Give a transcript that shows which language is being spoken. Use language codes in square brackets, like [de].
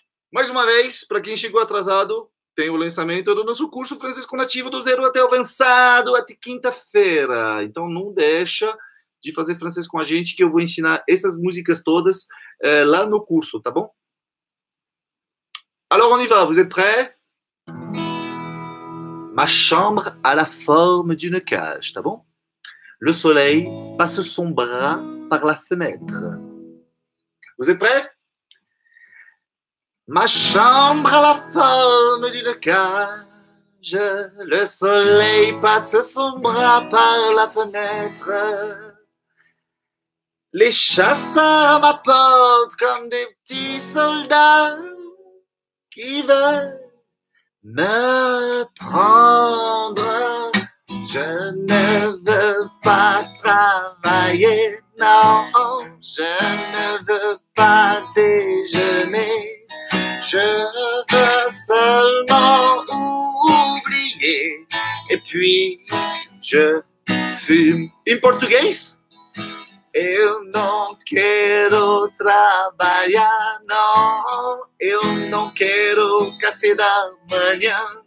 [pt] Mais uma vez, para quem chegou atrasado, tem o lançamento do nosso curso Francisco Nativo do Zero até Avançado, até quinta-feira. Então não deixa de fazer francês com a gente, que eu vou ensinar essas músicas todas lá no curso, tá bom? [fr] Alors, on y va, vous êtes prêts? Ma chambre a la forme d'une cage, [pt] tá bom? [fr] Le soleil passe son bras par la fenêtre. Vous êtes prêts? Ma chambre a la forme d'une cage, le soleil passe son bras par la fenêtre. Les chats sonnent à ma porte comme des petits soldats qui veulent me prendre. Je ne veux pas travailler, non, je ne veux pas déjeuner. Je veux seulement oublier. Et puis, je fume. En portugais? [pt] Eu não quero trabalhar, não. Eu não quero café da manhã.